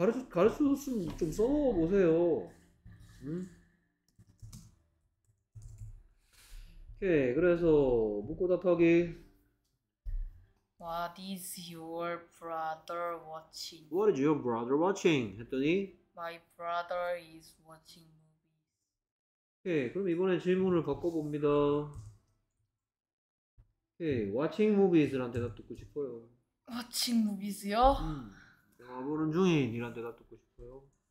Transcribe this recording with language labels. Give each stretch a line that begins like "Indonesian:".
Korean: 가르쳐줬으면 좀 써보세요. 오케이, 그래서 묻고 답하기.
English: What is your brother watching? What is your brother watching?
Korean: 했더니.
English: My brother is watching movies.
Korean: 오케이, 그럼 이번에 질문을 바꿔봅니다. 오케이,
English: watching movies
Korean: 란 대답 듣고 싶어요.
English: Watching movies요?
Korean: 영화 보는 중인 이란 대답 듣고 싶어요.